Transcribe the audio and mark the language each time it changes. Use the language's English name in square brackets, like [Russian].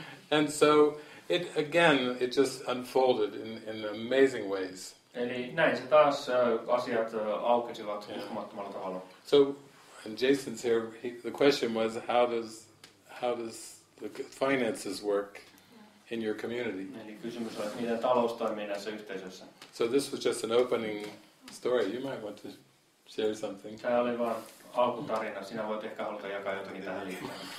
[English] And so, it just unfolded in amazing ways. [Finnish] Eli näin se taas asiat aukesivat uskomattomalla tavalla. [English] So, and Jason's here, the question was, how does the finances work in your community? [Finnish] Eli kysymys on, miten talous toimii näissä yhteisössä. [English] So this was just an opening story. You might want to share something. [Finnish] Tämä oli vaan alkutarina. Sinä voit ehkä haluta jakaa jotakin tähän liittyen.